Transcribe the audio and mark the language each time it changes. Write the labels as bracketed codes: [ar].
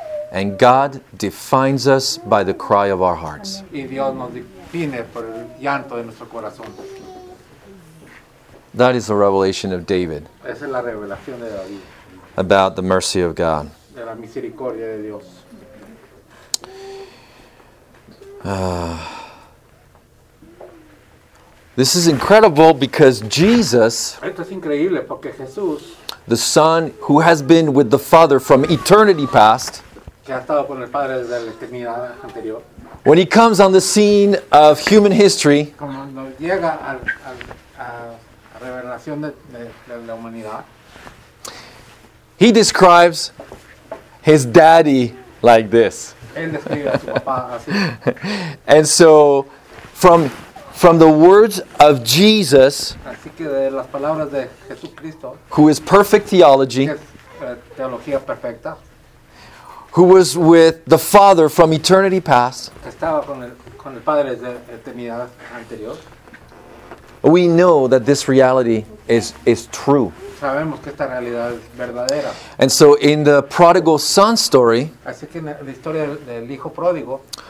[en] And God defines us by the cry of our hearts. [es] Y Dios nos define por el llanto de nuestro corazón. [en] That is the revelation of David. [es] Esa es la revelación de David. [en] About the mercy of God. [es] De la misericordia de Dios. [en] This is incredible because Jesus, [es] esto es increíble porque Jesús, [en] the Son who has been with the Father from eternity past, [es] que ha estado con el Padre desde la eternidad anterior, [en] when he comes on the scene of human history, [es] cuando llega a revelación de la humanidad, [en] he describes his daddy like this. [es] Él describe a su papá así. [en] And so, from the words of Jesus, [es] así que de las palabras de Jesucristo, [en] who is perfect theology, [es] que es, teología perfecta, [en] who was with the Father from eternity past, [es] que estaba con el Padre desde eternidad anterior, [en] we know that this reality is true. [es] Sabemos que esta realidad es verdadera. [en] And so in the prodigal son story, [es] así que en la historia del hijo pródigo,